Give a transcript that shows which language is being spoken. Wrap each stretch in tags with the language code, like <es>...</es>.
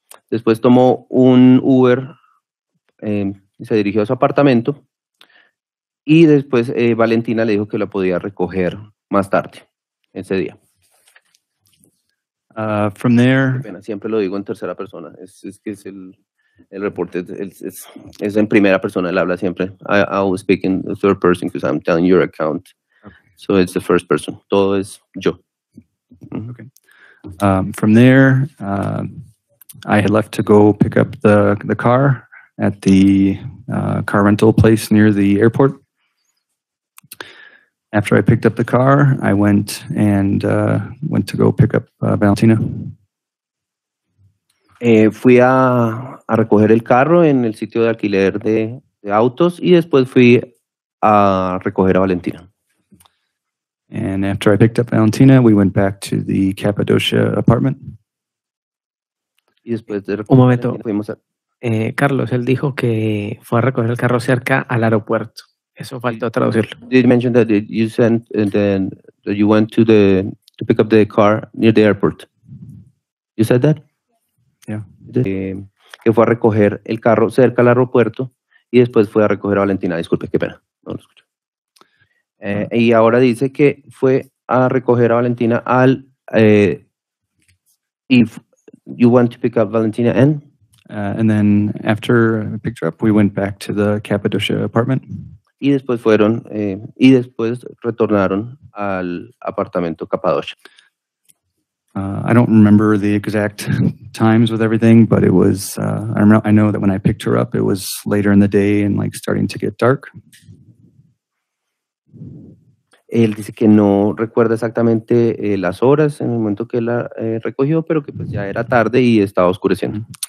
<es>Después tomó un Uber y se dirigió a su apartamento. Y después Valentina le dijo que la podía recoger más tarde, ese día.</es> <en>From there...</en> <es>Pena, siempre lo digo en tercera persona. Es que es el reporte, es en primera persona, él habla siempre.</es> <en>I always speak in the third person because I'm telling your account. Okay. So it's the first person.</en> <es>Todo es yo.</es> <en>Mm-hmm. Okay. From there, I had left to go pick up the car at the car rental place near the airport. After I picked up the car, I went and went to go pick up Valentina.</en> <es>Fui a recoger el carro en el sitio de alquiler de autos y después fui a recoger a Valentina.</es> <en>And after I picked up Valentina, we went back to the Cappadocia apartment.</en> <es>Y después de un momento, fuimos a... Carlos, él dijo que fue a recoger el carro cerca al aeropuerto. Eso faltó traducirlo.</es> <en>Did you mention that you sent and then that you went to the to pick up the car near the airport? You said that? Yeah.</en> <es>Que fue a recoger el carro cerca al aeropuerto. y después fue a recoger a Valentina. Disculpe, qué pena, no lo escucho. Y ahora dice que fue a recoger a Valentina al...</es> <en>if you want to pick up Valentina and... And then after I picked her up, we went back to the Cappadocia apartment.</en> <es>Y después fueron, y después retornaron al apartamento Cappadocia.</es> <en>I don't remember the exact times with everything, but it was, I know that when I picked her up, it was later in the day and like starting to get dark.</en> <es>Él dice que no recuerda exactamente las horas en el momento que la recogió, pero que pues ya era tarde y estaba oscureciendo.</es>